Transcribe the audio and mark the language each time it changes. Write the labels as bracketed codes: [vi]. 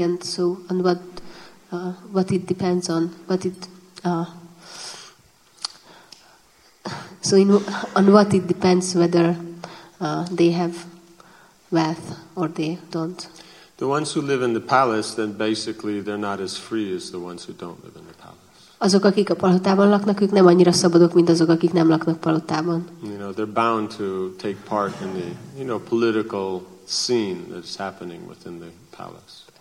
[en] And so on what it depends on, what it. So on what it depends whether they have wealth or they don't. The ones who live in the palace, then basically they're not as free as the ones who don't live in the palace. [hu] Azok, akik a palotában laknak, ők nem annyira szabadok, mint azok, akik nem laknak palotában. [en] You know, they're bound to take part in the, you know, political scene that's happening within the palace.